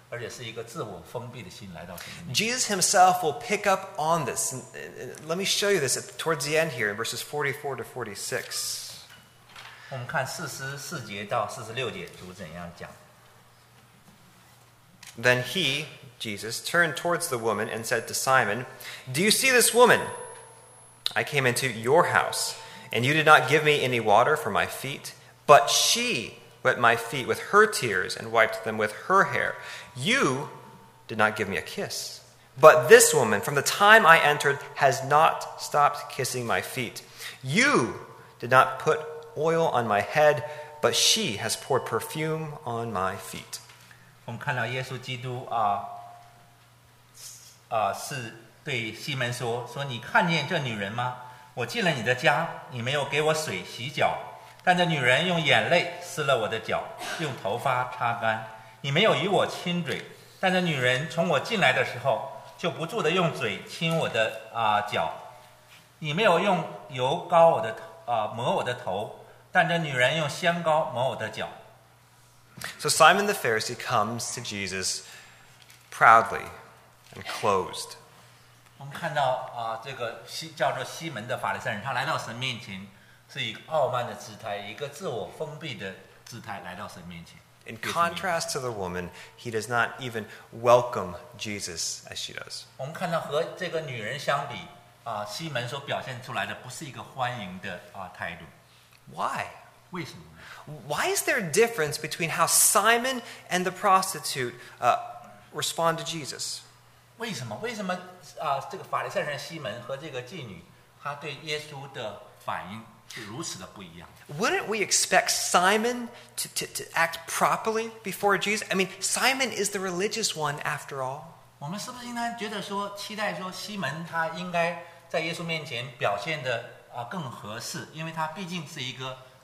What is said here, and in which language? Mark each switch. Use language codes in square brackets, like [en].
[zh] 我们看到西门来到耶稣面前，一个傲慢的心，而且是一个自我封闭的心来到神面前。Jesus [en] himself will pick up on this. Let me show you this towards the end here in verses 44 to 46. [zh] 我们看44节到46节主怎样讲。 [en] Then he, Jesus, turned towards the woman and said to Simon, "Do you see this woman? I came into your house, and you did not give me any water for my feet, but she wet my feet with her tears and wiped them with her hair. You did not give me a kiss, but this woman, from the time I entered, has not stopped kissing my feet. You did not put oil on my head, but she has poured perfume on my feet. [zh] 我们看到耶稣基督啊，啊，是对西门说：“说你看见这女人吗？我进了你的家，你没有给我水洗脚，但这女人用眼泪湿了我的脚，用头发擦干。你没有与我亲嘴，但这女人从我进来的时候，就不住的用嘴亲我的啊脚。你没有用油膏我的啊抹我的头，但这女人用香膏抹我的脚。” [en] So Simon the Pharisee comes to Jesus proudly and closed. [zh] 我们看到啊，这个叫做西门的法利赛人，他来到神面前是以傲慢的姿态，一个自我封闭的姿态来到神面前。 [en] In contrast to the woman, he does not even welcome Jesus as she does. [zh] 我们看到和这个女人相比啊，西门所表现出来的不是一个欢迎的啊态度。 [en] Why? [zh] 为什么？ [en] Why is there a difference between how Simon and the prostitute respond to Jesus? [zh] 为什么？为什么啊？这个法利赛人西门和这个妓女，他对耶稣的反应是如此的不一样？ [en] Wouldn't we expect Simon to act properly before Jesus? I mean, Simon is the religious one after all. [zh] 我们是不是应该觉得说，期待说西门他应该在耶稣面前表现的啊更合适，因为他毕竟是一个。